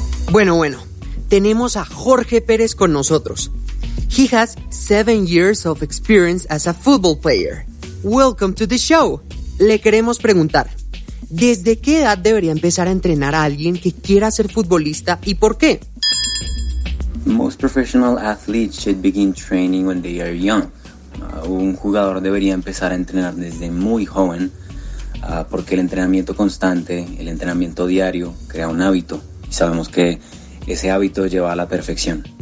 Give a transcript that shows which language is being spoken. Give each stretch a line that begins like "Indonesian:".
Spanish: Bueno, tenemos a Jorge Pérez con nosotros.
English: He has 7 years of experience as a football player. Welcome to the show.
Spanish: Le queremos preguntar, ¿desde qué edad debería empezar a entrenar a alguien que quiera ser futbolista y por qué?
English: Most professional athletes should begin training when they are young.
Spanish: Un jugador debería empezar a entrenar desde muy joven, porque el entrenamiento constante, el entrenamiento diario, crea un hábito. Y sabemos que ese hábito lleva a la perfección.